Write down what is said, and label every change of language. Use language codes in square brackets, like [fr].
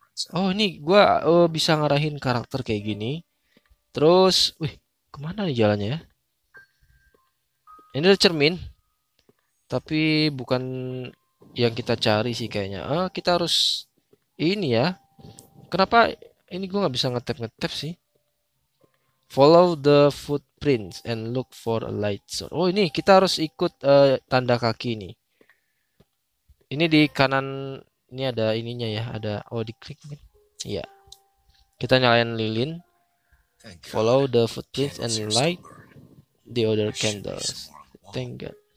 [id] Oh ini gua bisa ngarahin karakter kayak gini. Terus, wih, kemana nih jalannya ya? Ini ada cermin. Tapi bukan yang kita cari sih kayaknya. Kita harus ini ya. Kenapa ini gua nggak bisa ngetap sih? [en] Follow the footprints and look for a light source. [id] Oh ini kita harus ikut tanda kaki ini. Ini di kanan. Ini ada ininya ya, ada oh diklik nih. [en] Yeah. [id] Iya. Kita nyalain lilin. [en] Follow the footprints and light the other candles. Thank God.